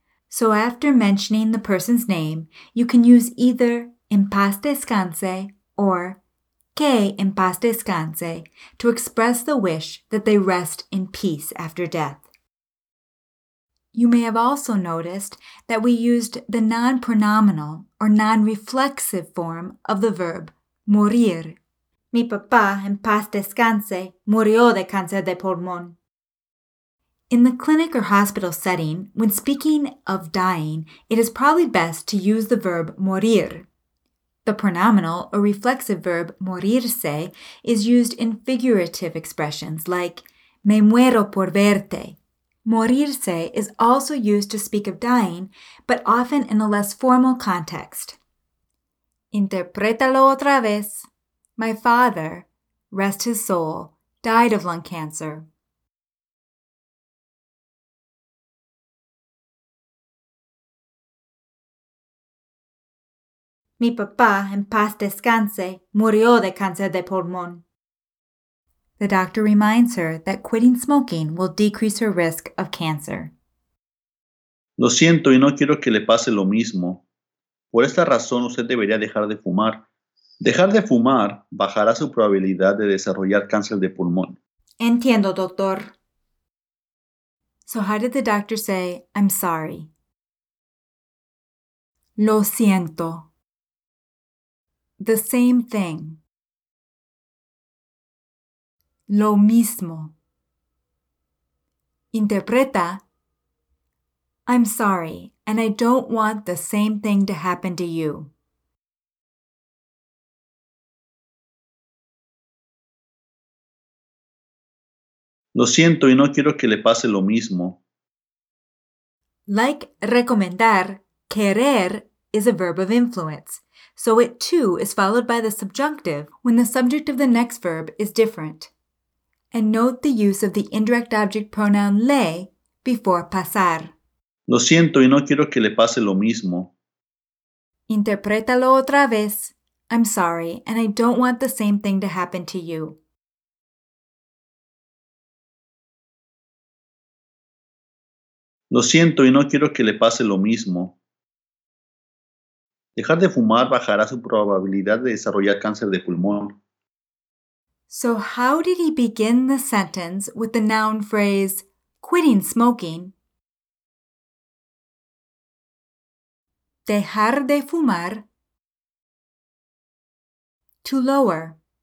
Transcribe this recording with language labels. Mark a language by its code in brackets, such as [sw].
[en] So after mentioning the person's name, you can use either [es] "en paz descanse" [en] or [es] "que en paz descanse" [en] to express the wish that they rest in peace after death. You may have also noticed that we used the non-pronominal or non-reflexive form of the verb morir. [es] Mi papá, en paz descanse, murió de cáncer de pulmón. [en] In the clinic or hospital setting, when speaking of dying, it is probably best to use the verb morir. The pronominal or reflexive verb morirse is used in figurative expressions like [es] me muero por verte. [en] Morirse is also used to speak of dying, but often in a less formal context. [es] Interprétalo otra vez. [en] My father, rest his soul, died of lung cancer. [es] Mi papá, en paz descanse, murió de cáncer de pulmón. [en] The doctor reminds her that quitting smoking will decrease her risk of cancer. [es] Lo siento y no quiero que le pase lo mismo. Por esta razón, usted debería dejar de fumar. Dejar de fumar bajará su probabilidad de desarrollar cáncer de pulmón. Entiendo, doctor. [en] So how did the doctor say, "I'm sorry"? [es] Lo siento. [en] The same thing. [es] Lo mismo. Interpreta. [en] I'm sorry, and I don't want the same thing to happen to you. [es] Lo siento y no quiero que le pase lo mismo. [en] Like recomendar, querer is a verb of influence, so it too is followed by the subjunctive when the subject of the next verb is different. And note the use of the indirect object pronoun le before pasar. [es] Lo siento y no quiero que le pase lo mismo. Interprétalo otra vez. [en] I'm sorry, and I don't want the same thing to happen to you. [es] Lo siento y no quiero que le pase lo mismo. Dejar de fumar bajará su probabilidad de desarrollar cáncer de pulmón. [en] So how did he begin the sentence with the noun phrase, quitting smoking? [es] Dejar de fumar. [en] To lower.